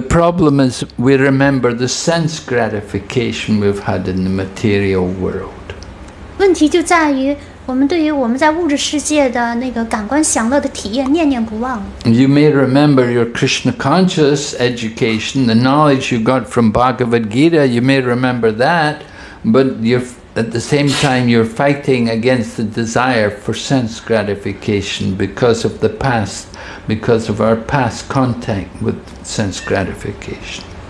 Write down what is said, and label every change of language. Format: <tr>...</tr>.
<en>problem is we remember the sense gratification we've had in the material world.</en> <zh>问题就在于 我们对于我们在物质世界的那个感官享乐的体验念念不忘。</zh> <en>You may remember your Krishna conscious education, the knowledge you got from Bhagavad Gita, you may remember that, but at the same time you're fighting against the desire for sense gratification because of the past, because of our past contact with sense gratification.</en>